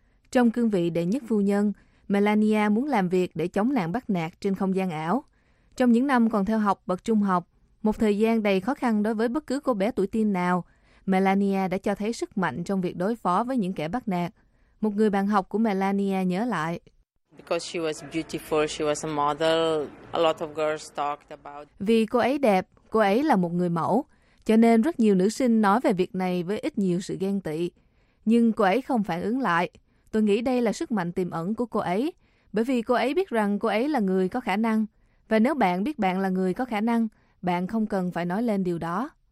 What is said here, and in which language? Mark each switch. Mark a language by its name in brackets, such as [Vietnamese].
[Vietnamese] Trong cương vị đệ nhất phu nhân, Melania muốn làm việc để chống nạn bắt nạt trên không gian ảo. Trong những năm còn theo học bậc trung học, một thời gian đầy khó khăn đối với bất cứ cô bé tuổi teen nào, Melania đã cho thấy sức mạnh trong việc đối phó với những kẻ bắt nạt. Một người bạn học của Melania nhớ lại. [English] Because she was beautiful, she was a model. A lot of girls talked about. [Vietnamese] Vì cô ấy đẹp, cô ấy là một người mẫu, cho nên rất nhiều nữ sinh nói về việc này với ít nhiều sự ghen tị. Nhưng cô ấy không phản ứng lại. Tôi nghĩ đây là sức mạnh tiềm ẩn của cô ấy, bởi vì cô ấy biết rằng cô ấy là người có khả năng. Và nếu bạn biết bạn là người có khả năng, bạn không cần phải nói lên điều đó.